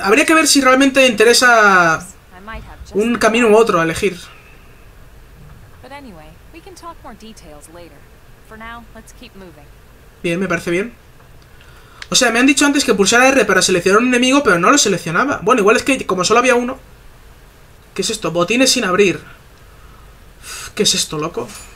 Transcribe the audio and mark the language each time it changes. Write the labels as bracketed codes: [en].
[es] Habría que ver si realmente interesa un camino u otro a elegir. [en] But anyway, we can talk more details later. For now, let's keep moving. [es] Bien, me parece bien. O sea, me han dicho antes que pulsara R para seleccionar un enemigo, pero no lo seleccionaba. Bueno, igual es que como solo había uno. ¿Qué es esto? Botines sin abrir. ¿Qué es esto, loco?